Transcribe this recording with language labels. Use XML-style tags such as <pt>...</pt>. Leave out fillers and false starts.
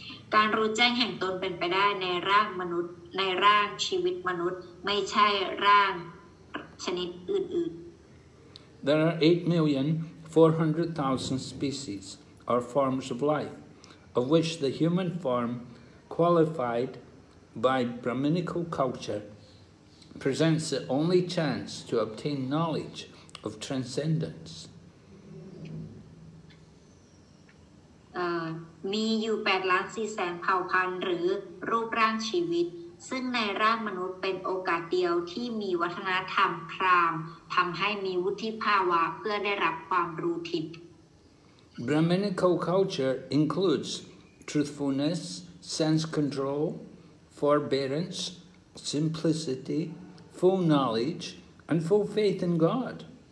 <en>There are 8,400,000 species or forms of life, of which the human form qualified by Brahminical culture presents the only chance to obtain knowledge of transcendence.</en> <th>มีอยู่ 8,400,000 เผ่าพันธุ์หรือรูปร่างชีวิตซึ่งในร่างมนุษย์เป็นโอกาสเดียวที่มีวัฒนธรรมพราหมณ์ทำให้มีวุฒิภาวะเพื่อได้รับความรู้ทิพย์</th> <en>Brahminical culture includes truthfulness, sense control, forbearance, simplicity, full knowledge, and full faith in God.</en>